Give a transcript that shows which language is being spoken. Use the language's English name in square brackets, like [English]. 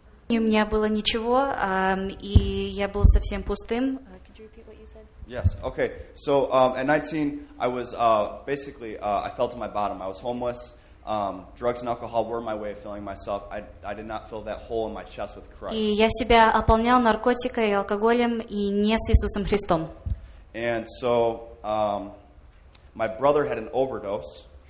[Russian] У меня было ничего, и я был совсем пустым. [English] Yes. Okay. So at 19, I was basically I fell to my bottom. I was homeless. Drugs and alcohol were my way of filling myself. I did not fill that hole in my chest with Christ. [Russian] И я себя ополнял наркотиками и алкоголем и не с Иисусом Христом. [English] And so my brother had an overdose.